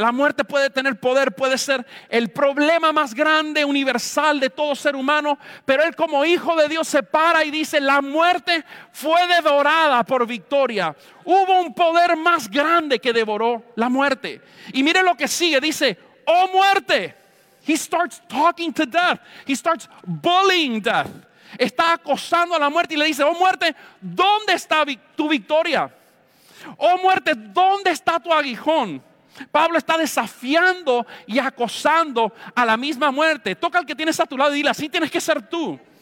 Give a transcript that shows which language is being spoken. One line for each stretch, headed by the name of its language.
Spanish: La muerte puede tener poder, puede ser el problema más grande, universal de todo ser humano. Pero él, como hijo de Dios, se para y dice: la muerte fue devorada por victoria. Hubo un poder más grande que devoró la muerte. Y miren lo que sigue, dice: oh muerte.
English: He starts talking to death. He starts bullying death.
Spanish: Está acosando a la muerte y le dice: oh muerte, ¿dónde está tu victoria? Oh muerte, ¿dónde está tu aguijón? Pablo está desafiando y acosando a la misma muerte. Toca al que tienes a tu lado y dile: así tienes que ser tú.